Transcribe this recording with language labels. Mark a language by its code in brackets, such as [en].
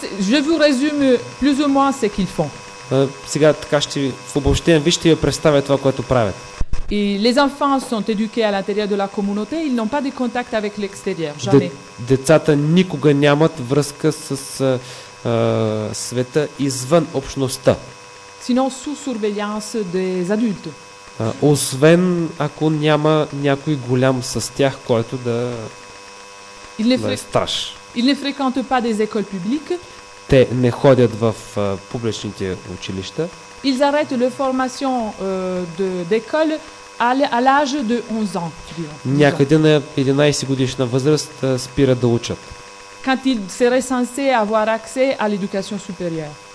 [fr] Je vous résume plus ou moins ce qu'ils font. [bg] Сега така ще в обобщение вижте я представя това, което правят. [fr] Et les enfants sont éduqués à l'intérieur de la communauté, ils n'ont pas de contact avec l'extérieur, jamais. [bg] Децата никога нямат връзка с света извън общността. [fr] Sinon sous surveillance des adultes. [bg] Освен ако няма някой голям с тях, който да е страж. [fr] Ils ne fréquentent pas des écoles publiques. [bg] Те не ходят в публичните училища. [fr] Ils arrêtent leur formation d'école à l'âge de 11 ans. [bg] Някъде на 11 годишна възраст спират да учат. [fr] Quand ils seraient censés avoir accès à l'éducation supérieure.